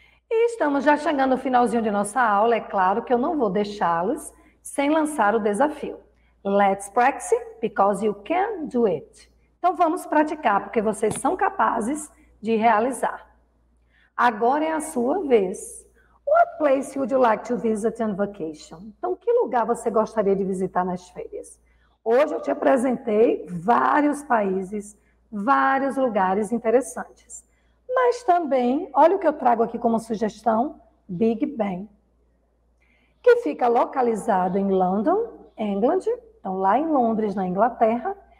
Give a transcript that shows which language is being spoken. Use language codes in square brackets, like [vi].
[pt] E estamos já chegando no finalzinho de nossa aula, é claro que eu não vou deixá-los sem lançar o desafio. [en] Let's practice because you can do it. [pt] Então, vamos praticar porque vocês são capazes de realizar. Agora é a sua vez. [en] What place would you like to visit on vacation? [pt] Então, que lugar você gostaria de visitar nas férias? Hoje eu te apresentei vários países, vários lugares interessantes. Mas também, olha o que eu trago aqui como sugestão: Big Ben, que fica localizado em London, England, então lá em Londres, na Inglaterra.